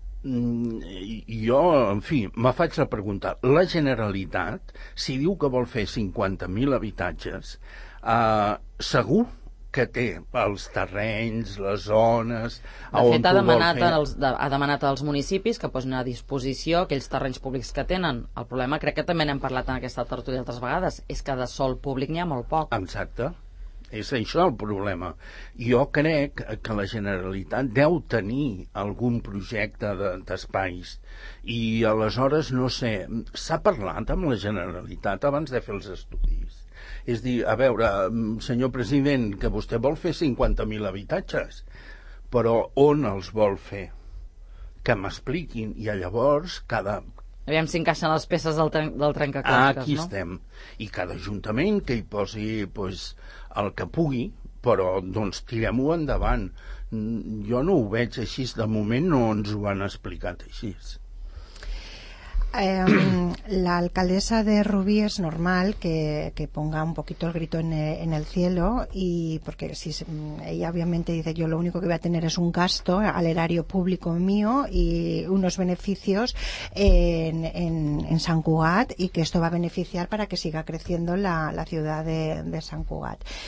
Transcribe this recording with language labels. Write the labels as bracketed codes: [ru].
[ca] jo, en fi, me faig la pregunta. La Generalitat, si diu que vol fer 50.000 habitatges, segur que té els terrenys, les zones... De fet, ha demanat als municipis que posin a disposició aquells terrenys públics que tenen. El problema, crec que també n'hem parlat en aquesta tertúlia altres vegades, és que de sòl públic n'hi ha molt poc. Exacte. És això el problema. Jo crec que la Generalitat deu tenir algun projecte d'espais i aleshores, no sé, s'ha parlat amb la Generalitat abans de fer els estudis. És dir, a veure, senyor president, que vostè vol fer 50.000 habitatges, però on els vol fer? Que m'expliquin, i llavors cada... Aviam si encaixen les peces del trencaclosques, no? Aquí estem. I cada ajuntament que hi posi pues, el que pugui, però doncs tirem-ho endavant. Jo no ho veig així, de moment no ens ho han explicat així. [es] La alcaldesa de Rubí es normal que ponga un poquito el grito en el cielo, y porque si ella obviamente dice, yo lo único que voy a tener es un gasto al erario público mío y unos beneficios en San Cugat, y que esto va a beneficiar para que siga creciendo la ciudad de San Cugat.